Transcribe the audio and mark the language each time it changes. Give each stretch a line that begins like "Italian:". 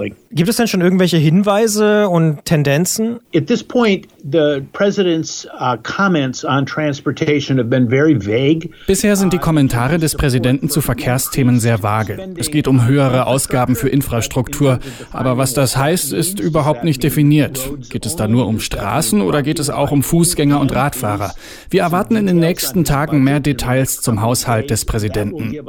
German: Gibt es denn schon irgendwelche Hinweise und Tendenzen?
English: At this point, the president's comments on transportation have been very vague.
German: Bisher sind die Kommentare des Präsidenten zu Verkehrsthemen sehr vage. Es geht um höhere Ausgaben für Infrastruktur, aber was das heißt, ist überhaupt nicht definiert. Geht es da nur um Straßen oder geht es auch um Fußgänger und Radfahrer? Wir erwarten in den nächsten Tagen mehr Details zum Haushalt des Präsidenten.